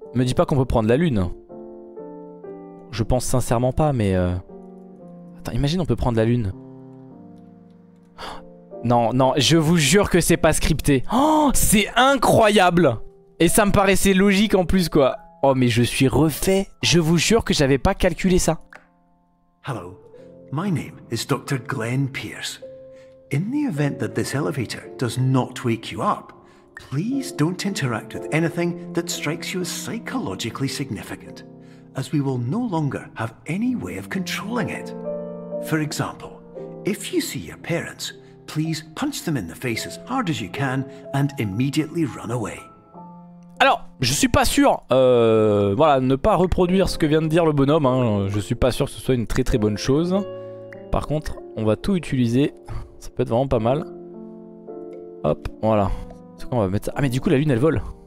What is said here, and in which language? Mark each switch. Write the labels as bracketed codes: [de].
[fr] Me dis pas qu'on peut prendre la lune. Je pense sincèrement pas, mais attends, imagine on peut prendre la lune. Non, non, je vous jure que c'est pas scripté. Oh, c'est incroyable. Et ça me paraissait logique en plus, quoi. Oh mais je suis refait, je vous jure que j'avais pas calculé ça. [en] Hello. My name is Dr. Glenn Pierce. In the event that this elevator does not wake you up, please don't interact with anything that strikes you as psychologically significant, as we will no longer have any way of controlling it. For example, if you see your parents, please punch them in the face as hard as you can and immediately run away. [fr] Alors, je suis pas sûr, voilà, ne pas reproduire ce que vient de dire le bonhomme, hein, je suis pas sûr que ce soit une très très bonne chose. Par contre, on va tout utiliser, ça peut être vraiment pas mal. Hop, voilà. C'est quoi, on va mettre ça. Ah mais du coup la lune elle vole.